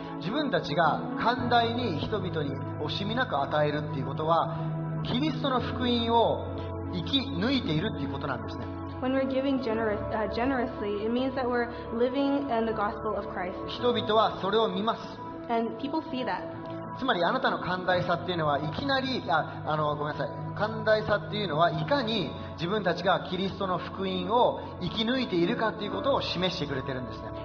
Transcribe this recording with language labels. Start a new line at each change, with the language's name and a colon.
Japanese: 自分たちが寛大に人々に惜しみなく与えるっていうことは、キリストの福音を生き抜いているっていうことなんですね。
English: When we're giving generously, it means that we're living in the Gospel of Christ.
Japanese: 人々はそれを見ます。
English: And people see that.
Japanese: つまりあなたの寛大さっていうのは、いきなり、ごめんなさい、寛大さっていうのは、いかに自分たちがキリストの福音を生き抜いているかということを示してくれてるんですね。